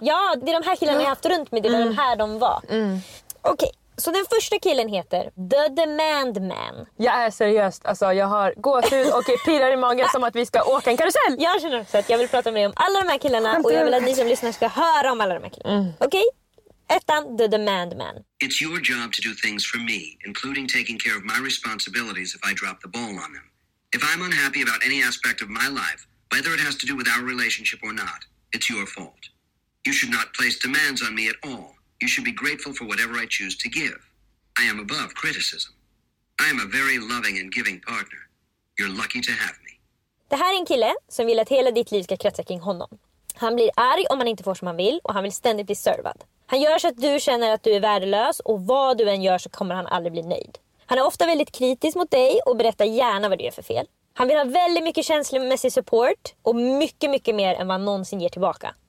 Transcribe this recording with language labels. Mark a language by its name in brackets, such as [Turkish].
[Swedish] Ja, det är de här killarna jag har haft runt mig, det är de här de var. Okej. Så den första killen heter The Demand Man. Jag är seriöst, alltså jag har gåshud och pirrar i magen som att vi ska åka en karusell. Jag känner också att jag vill prata med dig om alla de här killarna. Och jag vill att ni som lyssnar ska höra om alla de här killarna. Okej? Ettan, The Demand Man. [English] It's your job to do things for me, including taking care of my responsibilities if I drop the ball on them. If I'm unhappy about any aspect of my life, whether it has to do with our relationship or not, it's your fault. You should not place demands on me at all. You should be grateful for whatever I choose to give. I am above criticism. I am a very loving and giving partner. You're lucky to have me. [Swedish] Det här är en kille som vill att hela ditt liv ska kretsa kring honom. Han blir arg om han inte får som han vill och han vill ständigt bli servad. Han gör så att du känner att du är värdelös och vad du än gör så kommer han aldrig bli nöjd. Han är ofta väldigt kritisk mot dig och berättar gärna vad du gör för fel. Han vill ha väldigt mycket känslomässig support och mycket, mycket mer än vad han någonsin ger tillbaka.